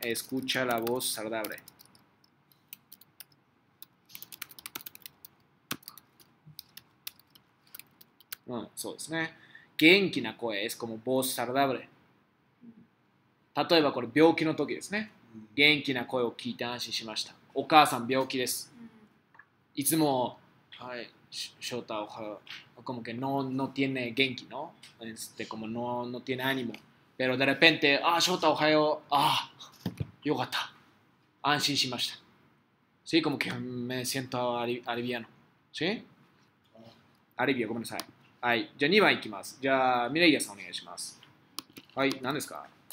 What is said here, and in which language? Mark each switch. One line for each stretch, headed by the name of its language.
Spanish: Escucha la voz saludable. Bueno, eso es, ¿eh?
Japanese: Genki na koe
Spanish: es como voz saludable.
Japanese: 例えばこれ病気の時ですね。元気な声を聞いて安心しました。お母さん病気です。いつも、はい、翔太は、
Spanish: como que no, no tiene 元気の、este, como no, no tiene ánimo。 Pero de repente、
Japanese: ああ、翔太おはよう。ああ、よかった。安心しました。
Spanish: Sí, como que me siento aliviano。 Sí? Alivio,
Japanese: ごめんなさい。はい、じゃあ2番いきます。じゃあ、ミレイヤさんお願いします。はい、何ですか？